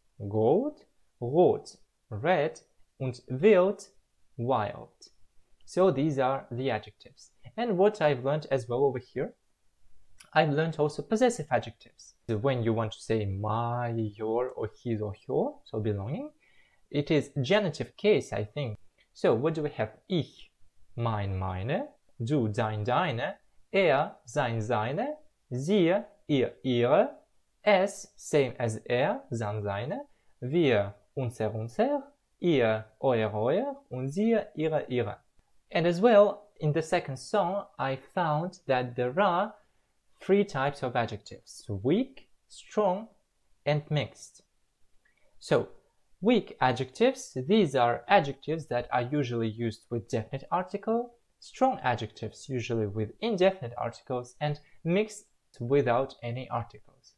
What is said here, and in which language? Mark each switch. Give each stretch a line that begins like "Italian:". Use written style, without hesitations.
German: Gold, rot,
English: red,
German: und wild, wild.
English: So these are the adjectives. And what I've learned as well over here, I've learned also possessive adjectives. When you want to say my, your, or his, or her, so belonging, it is genitive case, I think. So what do we have?
German: Ich, mein, meine, du, dein, deine, er, sein, seine, sie, ihr, ihre, es,
English: same as
German: er, sein, seine, wir, unser, unser, ihr, euer, euer, und sie, ihre, ihre.
English: And as well, in the second song, I found that there are three types of adjectives: weak, strong, and mixed. So, weak adjectives, these are adjectives that are usually used with definite article, strong adjectives usually with indefinite articles, and mixed without any articles.